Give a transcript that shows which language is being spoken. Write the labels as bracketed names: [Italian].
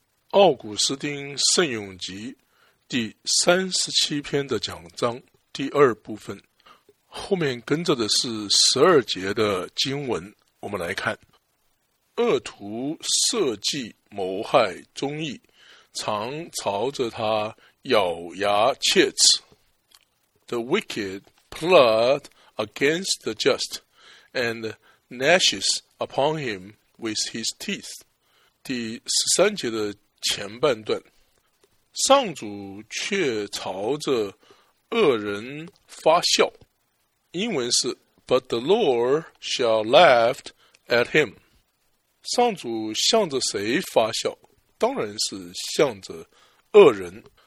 [Chinese] 奥古斯丁聖咏集第37篇的讲章第二部分，后面跟着的是12节的经文，我们来看。恶徒设计谋害忠义，常朝着他咬牙切齿。 [English] The wicked plot against the just and gnashes upon him with his teeth。 [Chinese] 第13节的前半段，上主却朝着恶人发笑，英文是 [English] But the Lord shall laugh at him。 [Chinese] 上主向着谁发笑？当然是向着恶人。